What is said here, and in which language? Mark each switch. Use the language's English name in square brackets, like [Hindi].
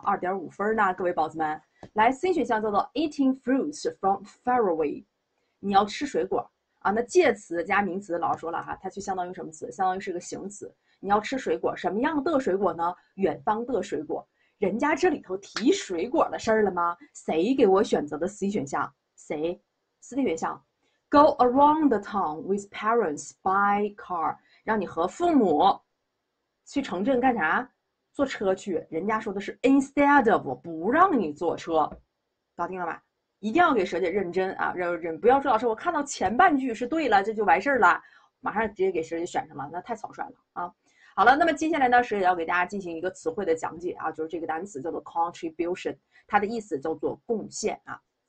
[Chinese] 2.5分呢，各位宝子们，来 C 选项叫做 [English] eating fruits from faraway， [Chinese] 你要吃水果啊。那介词加名词，老师说了哈，它就相当于什么词？相当于是个形词。你要吃水果，什么样的水果呢？远方的水果。人家这里头提水果的事儿了吗？谁给我选择的 C 选项？谁？C 选项， [English] Go around the town with parents by car。 [Chinese] 让你和父母去城镇干啥？坐车去。人家说的是 [English] instead of， [Chinese] 不让你坐车，搞定了吧？一定要给蛇姐认真啊，不要说老师，我看到前半句是对了，这就完事儿了，马上直接给蛇姐选上了，那太草率了啊！好了，那么接下来呢，蛇姐要给大家进行一个词汇的讲解啊，就是这个单词叫做 contribution，它的意思叫做贡献啊。